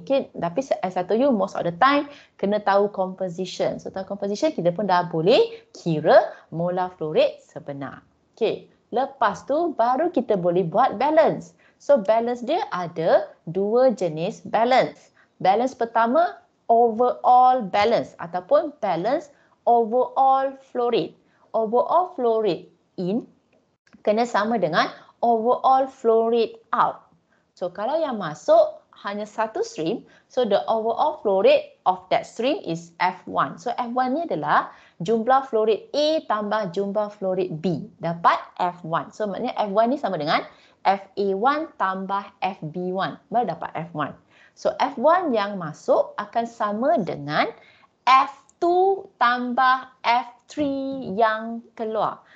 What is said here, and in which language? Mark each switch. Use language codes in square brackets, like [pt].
[ms] Mungkin, tapi [en] as I told you, most of the time, [ms] kena tahu composition. So, tahu composition, kita pun dah boleh kira molar flow rate sebenar. Okay, lepas tu, baru kita boleh buat balance. So, balance dia ada dua jenis balance. Balance pertama, overall balance. Ataupun balance overall flow rate. Overall flow rate in, kena sama dengan overall flow rate out. So, kalau yang masuk hanya satu [en] stream, so the overall flow rate of that stream is F1. [ms] So F1 ni adalah jumlah flow rate A tambah jumlah flow rate B dapat F1. So maknanya F1 ni sama dengan FA1 tambah FB1 baru dapat F1. So F1 yang masuk akan sama dengan F2 tambah F3 yang keluar.